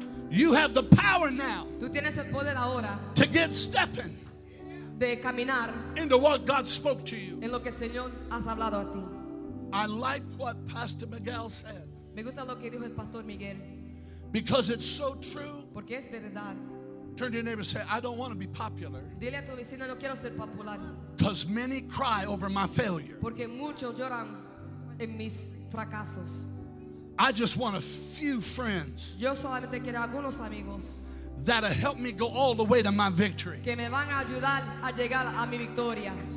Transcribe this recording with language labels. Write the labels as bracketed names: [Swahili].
[English] You have the power now. [Spanish] Tú tienes el poder ahora. [English] To get stepping. [Spanish] De caminar. [English] Into what God spoke to you. [Spanish] En lo que el Señor ha hablado a ti. [English] I like what Pastor Miguel said. [Spanish] Me gusta lo que dijo el Pastor Miguel. [English] Because it's so true. [Spanish] Porque es verdad. [English] Turn to your neighbor and say, I don't want to be popular. [Spanish] Dile a tu vecino, no quiero ser popular. [English] Because many cry over my failure. [Spanish] Porque muchos lloran en mis fracasos. [English] I just want a few friends. [Spanish] Yo solamente quiero algunos amigos. [English] That'll help me go all the way to my victory. [Spanish] Que me van a ayudar a llegar a mi victoria.